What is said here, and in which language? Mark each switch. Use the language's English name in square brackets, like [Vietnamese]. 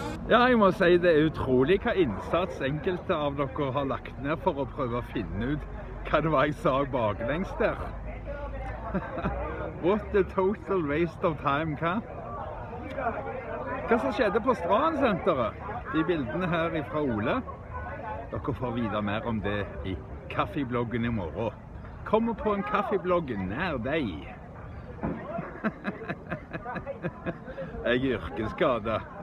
[Norwegian] Ja, jeg må si det er utrolig hva innsats enkelte av dere har lagt ned for å prøve å finne ut hva det var jeg sa baklengs der. [English] What a total waste of time, [Norwegian] hva? Hva som skjedde på Strandsenteret? De bildene her fra Ole. Dere får videre mer om det i kaffebloggen i morgen. Kom på en kaffeblogg nær deg. Jeg er yrkesskadet.